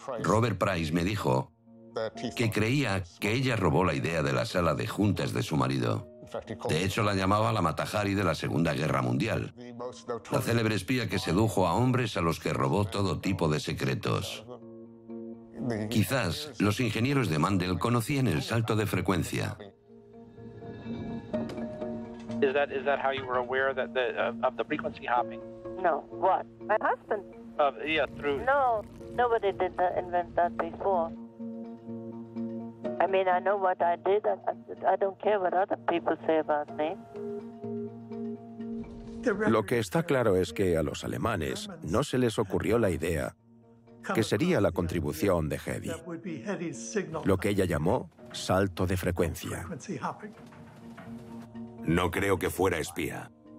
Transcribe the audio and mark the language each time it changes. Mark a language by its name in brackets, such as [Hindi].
[Spanish] Robert Price me dijo que creía que ella robó la idea de la sala de juntas de su marido. De hecho, la llamaba la Matahari de la Segunda Guerra Mundial, la célebre espía que sedujo a hombres a los que robó todo tipo de secretos. Quizás los ingenieros de Mandel conocían el salto de frecuencia. [English] Is that how you were aware that the of the frequency hopping? No. What? My husband. Through. No, nobody did that, invent that before. I mean, I know what I did. I don't care what other people say about me. [Spanish] Lo que está claro es que a los alemanes no se les ocurrió la idea que sería la contribución de Hedy. Lo que ella llamó salto de frecuencia. No creo que fuera espía.